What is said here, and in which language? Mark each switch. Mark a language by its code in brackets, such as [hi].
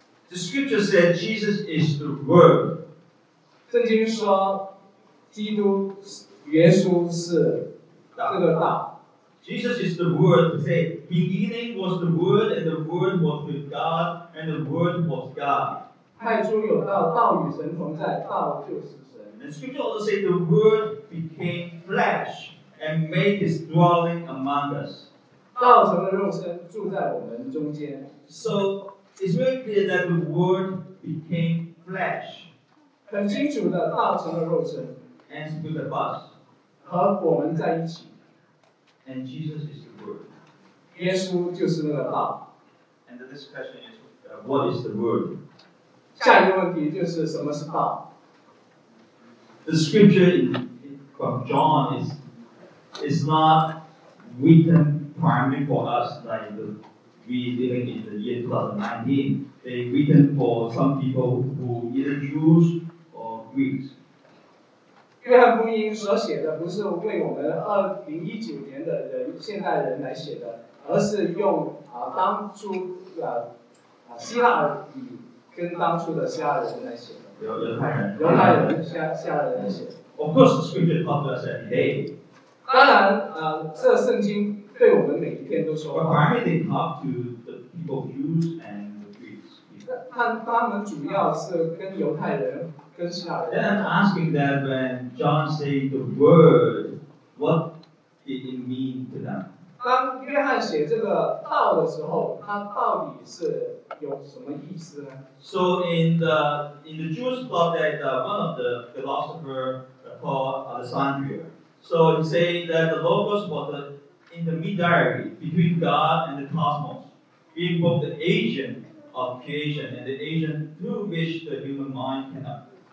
[en] The scripture said Jesus is the Word. [zh] 圣经说，基督耶稣是这个道。 [en] Jesus is the Word. He said, "Beginning was the Word, and the Word was with God, and the Word was God." [zh] 太初有道，道与神同在，道就是神。 [en] And scripture also said, "The Word became flesh and made His dwelling among us." [zh] 道成了肉身，住在我们中间。 [en] So it's very clear that the Word became flesh. [zh] 很清楚的，道成了肉身 [en] ，and stood with us， [zh] 和我们在一起。 [en] And Jesus is the Word. [zh] 耶稣就是那个道。 [en] And this question is, what is the Word? [zh] 下一个问题就是什么是道。 [en] The scripture from John is not written primarily for us, like we living in the year 2019. They written for some people who either Jews or Greeks. [zh] 约翰福音所写的不是为我们2019年的人现代人来写的，而是用当初希腊语跟当初的希腊人来写的。犹太人来写的。 [en] Of course, the scripture talks to us every day. [zh] 当然，这圣经对我们每一天都说话。 [en] But primarily, they talk to the people of Jews and the Greeks. [zh] 他们主要是跟犹太人。 [en] Then I'm asking them when John says the word, what did it mean to them? [zh] 当约翰写这个道的时候，他到底是有什么意思呢？ [en] So in the Jewish thought that one of the philosopher called Alexandria, so he say that the logos was the intermediary between God and the cosmos, being both the agent of creation and the agent through which the human mind cannot.